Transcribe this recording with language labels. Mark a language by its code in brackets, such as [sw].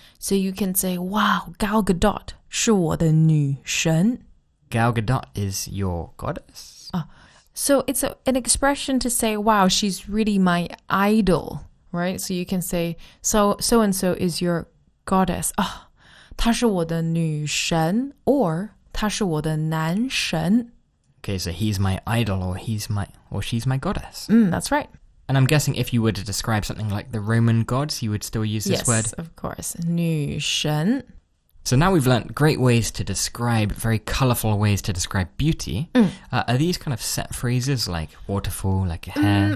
[en] So you can say, wow, Gal Gadot [zh] 是我的女神. [en] Gal Gadot is your goddess? So it's an expression to say, wow, she's really my idol, right? So you can say, so-and-so is your goddess. [zh] 她是我的女神, [en] or [zh] 她是我的男神. [en] Okay, so he's my idol, or she's my goddess. That's right. And I'm guessing if you were to describe something like the Roman gods, you would still use this word? Yes, of course. 女神. So now we've learnt great ways to describe, very colourful ways to describe beauty. Are these kind of set phrases like waterfall, like hair?